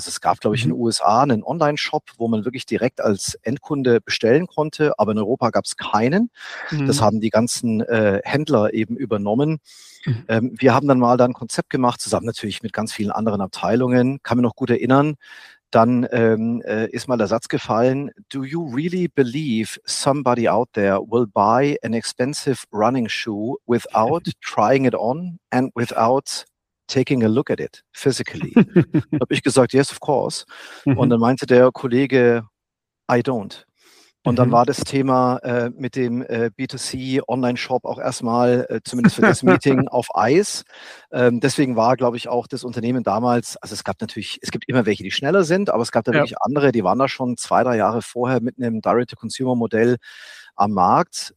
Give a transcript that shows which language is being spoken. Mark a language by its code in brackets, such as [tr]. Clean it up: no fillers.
[de] Also es gab, glaube ich, in den USA einen Online-Shop, wo man wirklich direkt als Endkunde bestellen konnte, aber in Europa gab es keinen. Das haben die ganzen Händler eben übernommen. Wir haben dann mal ein Konzept gemacht, zusammen natürlich mit ganz vielen anderen Abteilungen. Kann mich noch gut erinnern. [en] Dann ist mal der Satz gefallen, do you really believe somebody out there will buy an expensive running shoe without trying it on and without taking a look at it physically? [de] Habe ich gesagt, yes, of course. Und dann meinte der Kollege, I don't. Und dann war das Thema mit dem B2C-Online-Shop auch erstmal, zumindest für das Meeting, auf Eis. Deswegen war, glaube ich, auch das Unternehmen damals, also es gab natürlich, es gibt immer welche, die schneller sind, aber es gab da wirklich andere, die waren da schon 2-3 Jahre vorher mit einem Direct-to-Consumer-Modell am Markt.